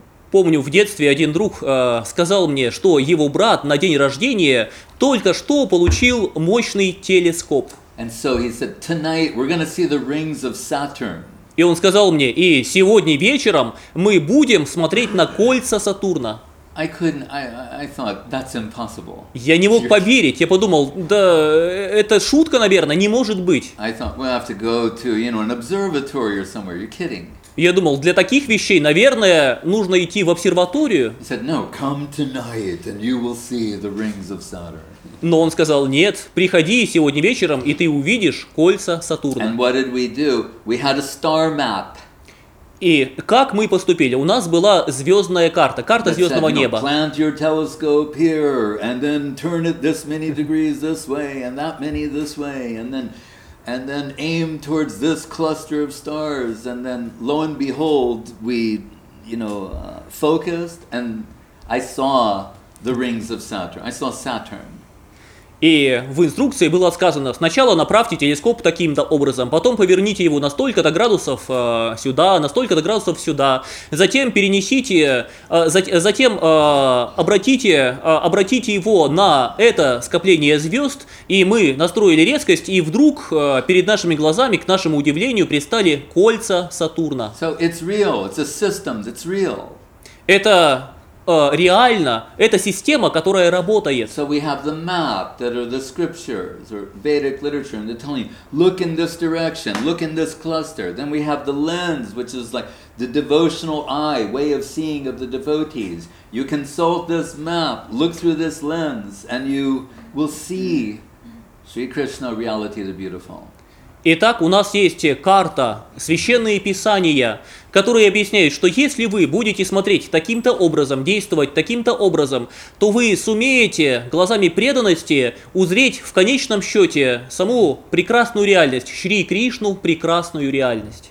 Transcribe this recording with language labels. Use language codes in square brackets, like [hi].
[ru] Помню, в детстве один друг сказал мне, что его брат на день рождения только что получил мощный телескоп. [en] And so he said, "Tonight we're gonna see the rings of Saturn." [ru] И он сказал мне, и сегодня вечером мы будем смотреть на кольца Сатурна. [en] I thought, that's impossible. [ru] Я не мог поверить, я подумал, да это шутка, наверное, не может быть. [en] I thought, we'll have to go to, you know, an observatory or somewhere, you're kidding. [ru] Я думал, для таких вещей, наверное, нужно идти в обсерваторию. [en] He said, no, come tonight and you will see the rings of Saturn. [ru] Но он сказал, нет, приходи сегодня вечером, и ты увидишь кольца Сатурна. [en] And what did we do? We had a star map. [ru] И как мы поступили? У нас была звездная карта, карта звездного неба. [en] Plant your telescope here, and then turn it this many degrees this way, and that many this way, and then aim towards this cluster of stars, and then lo and behold, we, you know, focused, and I saw the rings of Saturn. I saw Saturn. [ru] И в инструкции было сказано, сначала направьте телескоп таким-то образом, потом поверните его на столько-то градусов сюда, на столько-то градусов сюда, затем перенесите, обратите его на это скопление звезд, и мы настроили резкость, и вдруг перед нашими глазами, к нашему удивлению, предстали кольца Сатурна. [en] So it's real, it's a system, it's real. [ru] Это реально, это система, которая работает. [en] So we have the map that are the scriptures or Vedic literature, and they're telling you, look in this direction, look in this cluster. Then we have the lens, which is like the devotional eye, way of seeing of the devotees. You consult this map, look through this lens, and you will see Sri Krishna reality, the beautiful. [ru] Итак, у нас есть карта, священные писания, которые объясняют, что если вы будете смотреть таким-то образом, действовать таким-то образом, то вы сумеете глазами преданности узреть в конечном счете саму прекрасную реальность, Шри Кришну, прекрасную реальность.